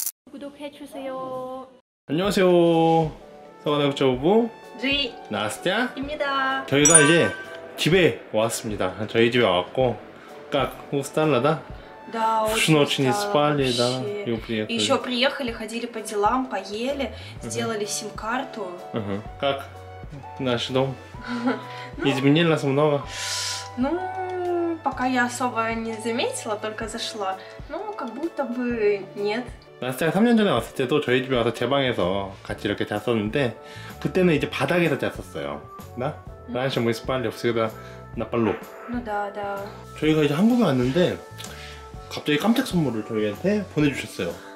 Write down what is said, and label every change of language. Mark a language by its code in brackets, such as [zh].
[ko] 구독해주세요. 안녕하세요. 서울대 국제부부 주희 나스탸입니다. 저희가 이제 집에 왔습니다. 저희 집에 왔고 [ru] как устала, да? Очень устала. Не спали, да? И приехали. Еще приехали, ходили по делам, поели, сделали сим-карту. Как наш дом? Изменилось много? Ну, пока я особо не заметила, только зашла. Ну, как будто бы нет. [ko] 나스탸가 3년 전에 왔을 때도 저희 집에 와서 제 방에서 같이 이렇게 잤었는데 그때는 이제 바닥에서 잤었어요. 나? 나한테 뭐 스팔이 없으니까 나팔로. 나다. 저희가 이제 한국에 왔는데 갑자기 깜짝 선물을 저희한테 보내주셨어요.